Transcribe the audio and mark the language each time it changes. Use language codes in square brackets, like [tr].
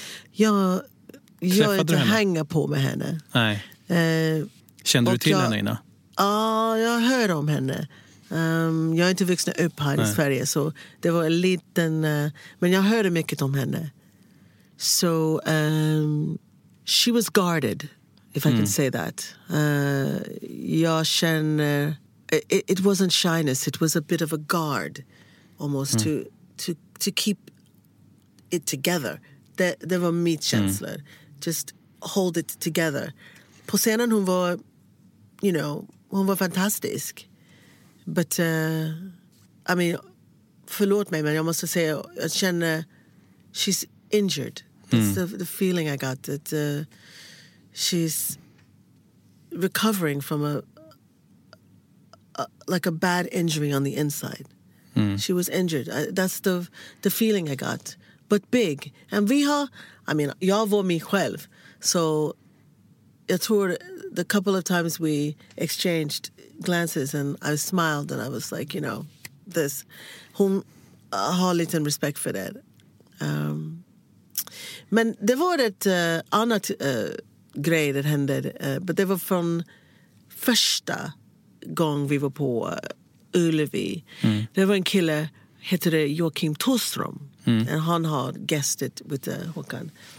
[sv] Jag träffade inte henne? Hänga på med henne. Nej. Kände du till henne innan? Ja, jag hör om henne. Jag är inte vuxen upp här i Sverige, så det var en liten... men jag hörde mycket om henne. Så [en] she was guarded, if I can say that. [sv] Jag känner, [en] it wasn't shyness, it was a bit of a guard, almost to keep it together. [sv] Det var mitt känslor. [en] Just hold it together. [sv] På scenen hon var, [en] you know, [sv] hon var fantastisk. [en] But, I mean, [sv] förlåt mig, men jag måste säga, jag känner, [en] she's injured. That's the feeling I got, that she's recovering from a bad injury on the inside. She was injured. That's the feeling I got. But big. [sv] And vi har, [en] I mean, [sv] jag var mig själv. [en] So, [sv] jag tror [en] the couple of times we exchanged glances and I smiled and I was like, you know, this. [sv] Hon har lite respekt för det. Men det var ett annat grej det hände. But det var från första gången vi var på Ullevi. Det var en kille, heter det Joakim Tostrom. And han har [en] guested with [sv] Håkan.